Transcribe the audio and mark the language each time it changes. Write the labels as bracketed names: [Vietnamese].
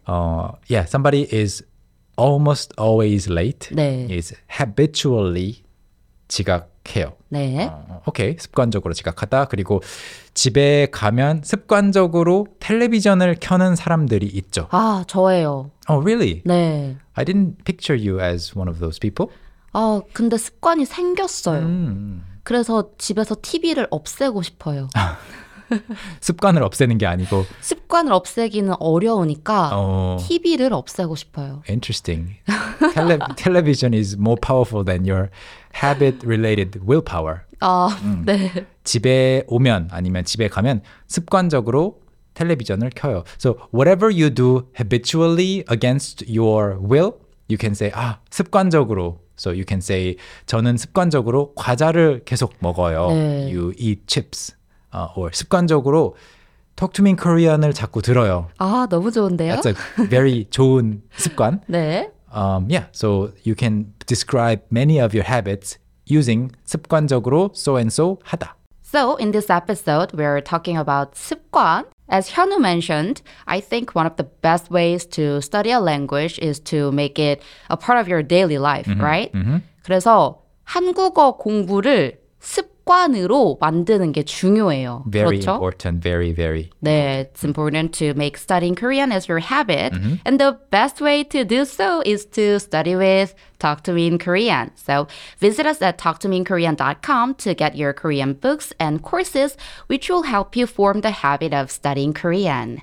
[English] Yeah, somebody is almost always late. [Korean] 네. [English] Is habitually [Korean] 지각해요. 네. 오케이. 습관적으로 지각하다. 그리고 집에 가면 습관적으로 텔레비전을 켜는 사람들이 있죠. 아, 저예요. [English] Oh, really? [Korean] 네. [English] I didn't picture you as one of those people. [Korean] 아, 근데 습관이 생겼어요. 그래서 집에서 TV를 없애고 싶어요. 습관을 없애는 게 아니고 습관을 없애기는 어려우니까 TV를 없애고 싶어요. [English] Interesting. Television is more powerful than your habit-related willpower. [Korean] 아, 네. 집에 오면 아니면 집에 가면 습관적으로 텔레비전을 켜요. [English] So whatever you do habitually against your will, you can say [Korean] 아 습관적으로. [English] So you can say [Korean] 저는 습관적으로 과자를 계속 먹어요. 네. [English] You eat chips. Or [Korean] 습관적으로 [English] Talk to me in Korean을 [Korean] 자꾸 들어요. 아, 너무 좋은데요? [English] That's a very [Korean] 좋은 습관. 네. [English] Yeah, so you can describe many of your habits using 습관적으로 so-and-so 하다. So in this episode, we're talking about 습관. As Hyunwoo mentioned, I think one of the best ways to study a language is to make it a part of your daily life, mm-hmm. right? Mm-hmm. [Korean] 그래서 한국어 공부를 습관으로 만드는 게 중요해요. [English] Very [Korean] 그렇죠? [English] important, very, very. [Korean] 네, [English] it's important to make studying Korean as your habit. Mm-hmm. And the best way to do so is to study with Talk to Me in Korean. So visit us at talktomeinkorean.com to get your Korean books and courses, which will help you form the habit of studying Korean.